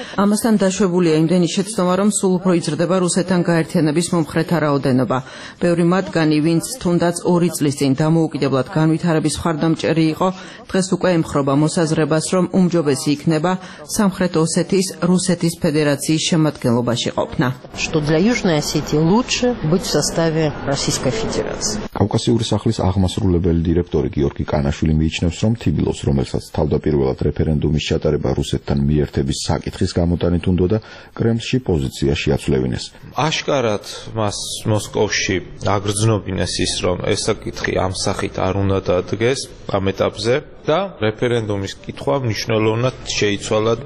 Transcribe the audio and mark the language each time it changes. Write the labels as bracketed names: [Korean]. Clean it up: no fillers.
[Georgian] ამასთან დაშვებულია იმდენი შეცდომა, რომ სულ უფრო იზრდება რუსეთთან გაერთიანების მომხრეთა რაოდენობა. ბევრი მათგანი, ვინც თუნდაც ორი წლის წინ დამოუკიდებლად განვითარების მხარდამჭერი იყო, დღეს უკვე ემხრობა მოსაზრებას, რომ უმჯობესი იქნება სამხრეთ ოსეთის რუსეთის ფედერაციის შემადგენლობაში ყოფნა. [Russian] Что для Южной Осетии лучше быть в составе Российской Федерации. [Georgian] კავკასიური სახლის აღმასრულებელი დირექტორი გიორგი კანაშვილი მიიჩნევს, რომ ტიბილოს, რომელსაც თავდაპირველად რეფერენდუმის ჩატარება რუსეთთან მიერთების საკითხის გამოტანით უნდოდა, კრემლში პოზიცია შეაცვლევინეს. აშკარად მას მოსკოვში აგრძნობინეს ის, რომ ეს საკითხი ამ სახით არ უნდა დადგეს ამ ეტაპზე და რეფერენდუმის კითხვა მნიშვნელოვნად შეიცვალა.